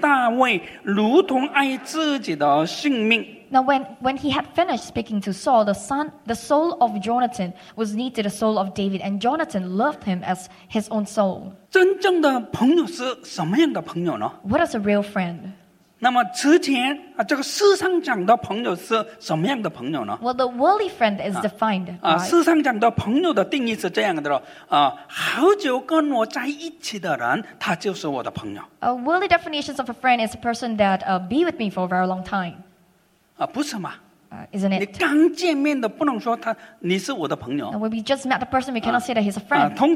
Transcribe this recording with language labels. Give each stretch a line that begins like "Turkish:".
Chinese: 请大卫对扫罗说完了话，约拿单的心与大卫的心深相契合。约拿单爱大卫，如同爱自己的性命。
English: Now when he had finished speaking to Saul, the soul of Jonathan was knit to the soul of David, and Jonathan loved him as his own soul.
Chinese: 真正的朋友是什么样的朋友呢?
English: What is a real friend?
Chinese: 那么之前这个世上讲的朋友是什么样的朋友呢?
English: Well, the worldly friend is defined.
Chinese: 世上讲的朋友的定义是这样的，好久跟我在一起的人，他就是我的朋友。
English: A worldly definition of a friend is a person that be with me for a very long time.
Chinese: 不是吗?
English: Isn't it?
Chinese: 你刚见面的不能说他你是我的朋友。
English: When we just met the person, we cannot say that he's a friend.